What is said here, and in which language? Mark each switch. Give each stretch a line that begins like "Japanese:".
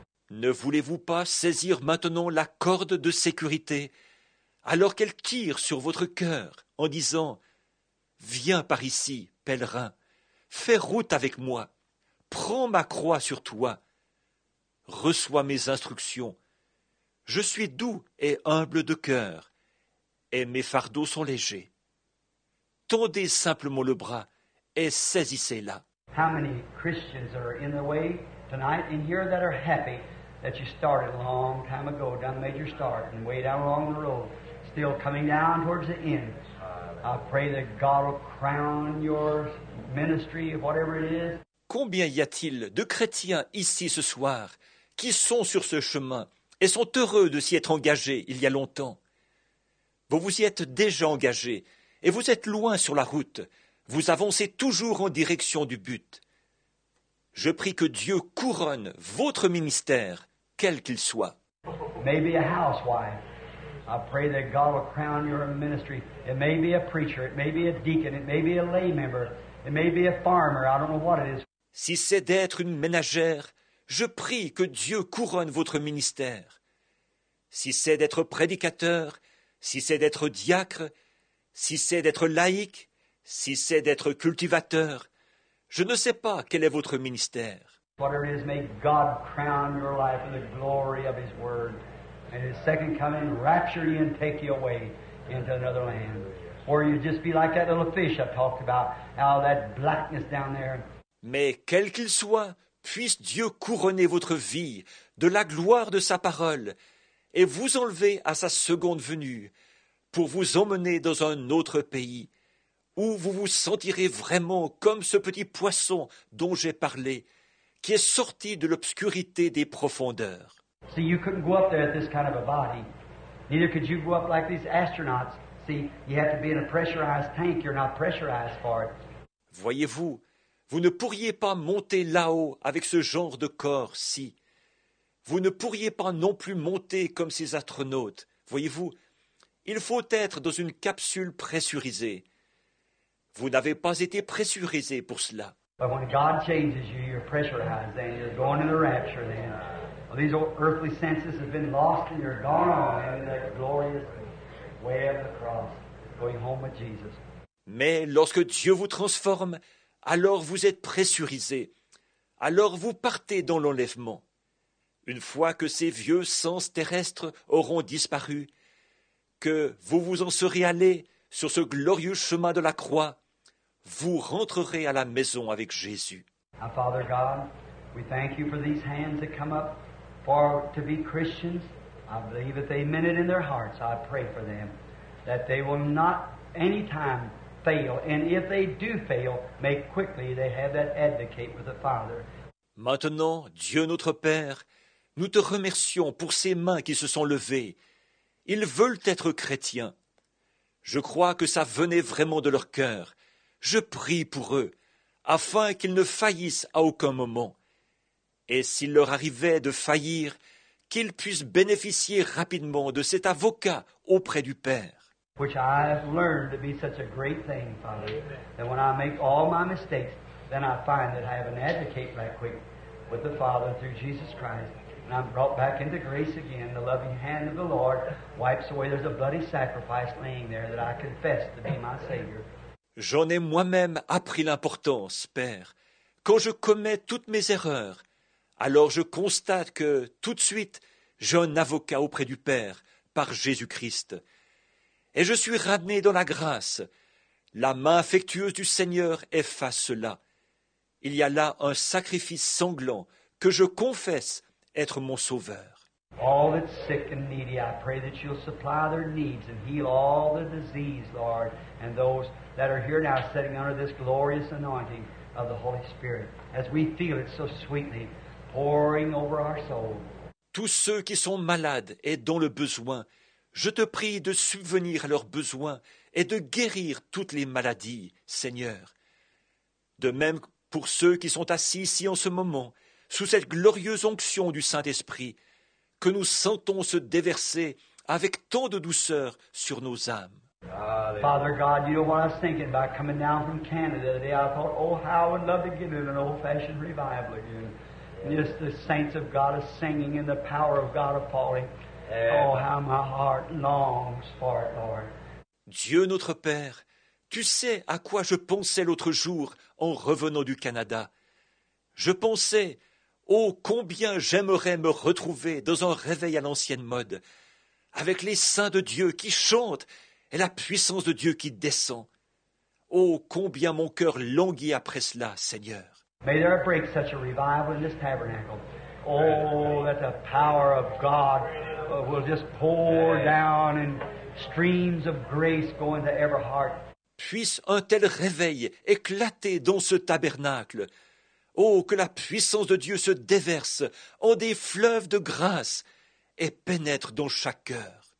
French: Ne voulez-vous pas saisir maintenant la corde de sécurité alors qu'elle tire sur votre cœur en disant « Viens par ici, pèlerin, fais route avec moi, prends ma croix sur toi, reçois mes instructions. Je suis doux et humble de cœur et mes fardeaux sont légers. Tendez simplement le bras et saisissez-la. »
English: How many Christians are in the way tonight in here that are happy that you started a long time ago, done made your start, and way down along the road, still coming down towards the end? I pray that God will crown your ministry, whatever it is.
French: Combien y a-t-il de chrétiens ici ce soir qui sont sur ce chemin et sont heureux de s'y être engagés il y a longtemps. Vous vous y êtes déjà engagés et vous êtes loin sur la route. Vous avancez toujours en direction du but. Je prie que Dieu couronne votre ministère, quel qu'il soit.
English: Maybe a housewife. I pray that God will crown your ministry. It may be a preacher, it may be a deacon, it may be a lay member, it may be a farmer, I don't know what it is.
French: Si c'est d'être une ménagère, je prie que Dieu couronne votre ministère. Si c'est d'être prédicateur, si c'est d'être diacre, si c'est d'être laïc, si c'est d'être cultivateur, je ne sais pas quel est votre ministère.
English: Whatever it is, may God crown your life in the glory of His Word. And His second coming, rapture you and take you away into another land. Or you'd just be like that little fish I talked about, out of that blackness down there.
French: Mais quel qu'il soit, puisse Dieu couronner votre vie de la gloire de sa parole et vous enlever à sa seconde venue pour vous emmener dans un autre pays où vous vous sentirez vraiment comme ce petit poisson dont j'ai parlé qui est sorti de l'obscurité des profondeurs.
English: See, you couldn't go up there at this kind of a body. Neither could you go up like these astronauts. See, you have to be in a pressurized tank. You're not pressurized for it.
French: Voyez-vous, vous ne pourriez pas monter là-haut avec ce genre de corps, si. Vous ne pourriez pas non plus monter comme ces astronautes. Voyez-vous, il faut être dans une capsule pressurisée. Vous n'avez pas été pressurisé pour cela.
English: But when God changes you, you're pressurized, then you're going to the rapture, then. Well, these earthly senses have been lost and you're gone on in that glorious way of the cross, going home with Jesus.
French: Mais lorsque Dieu vous transforme, alors vous êtes pressurisé. Alors vous partez dans l'enlèvement. Une fois que ces vieux sens terrestres auront disparu, que vous vous en serez allé sur ce glorieux chemin de la croix, vous rentrerez à la maison avec Jésus.
English: Our Father God, we thank you for these hands that come up. For to be Christians, I believe if they meant it in their hearts, I pray for them that they will not any time fail. And if they do fail, may quickly they have that advocate with the Father.
French: Maintenant, Dieu notre Père, nous te remercions pour ces mains qui se sont levées. Ils veulent être chrétiens. Je crois que ça venait vraiment de leur cœur. Je prie pour eux, afin qu'ils ne faillissent à aucun moment. Et s'il leur arrivait de faillir, qu'ils puissent bénéficier rapidement de cet avocat auprès du Père.
English: Which I have learned to be such a great thing, Father, that when I make all my mistakes, then I find that I have an advocate right quick with the Father through Jesus Christ. And I'm brought back into grace again. The loving hand of the Lord wipes away. There's a bloody sacrifice laying there that I confess to be my Savior.
French: J'en ai moi-même appris l'importance, Père. Quand je commets toutes mes erreurs, alors je constate que, tout de suite, j'ai un avocat auprès du Père, par Jésus-Christ. Et je suis ramené dans la grâce. La main affectueuse du Seigneur efface cela. Il y a là un sacrifice sanglant que je confesse être mon Sauveur.
English: All that's sick and needy, I pray that you'll supply their needs and heal all the disease, Lord, and those that are here now sitting under this glorious anointing of the Holy Spirit, as we feel it so sweetly. Pouring over our soul.
French: Tous ceux qui sont malades et dans le besoin, je te prie de subvenir à leurs besoins et de guérir toutes les maladies, Seigneur. De même pour ceux qui sont assis ici en ce moment, sous cette glorieuse onction du Saint-Esprit, que nous sentons se déverser avec tant de douceur sur nos âmes.
English: Father God, you know what I was thinking about coming down from Canada today. I thought, oh, how I'd love to get in an old-fashioned revival again. Yes, the saints of God are singing and the power of God are falling. Oh, how my heart longs for it, Lord.
French: Dieu notre Père, tu sais à quoi je pensais l'autre jour en revenant du Canada. Je pensais, oh, combien j'aimerais me retrouver dans un réveil à l'ancienne mode, avec les saints de Dieu qui chantent et la puissance de Dieu qui descend. Oh, combien mon cœur languit après cela, Seigneur.
English: May there break such a revival in this tabernacle. Oh, that the power of God will just pour down in streams of grace go into every heart.
French: Puisse un tel réveil éclater dans ce tabernacle. Oh, que la puissance de Dieu se déverse en des fleuves de grâce et pénètre dans chaque cœur.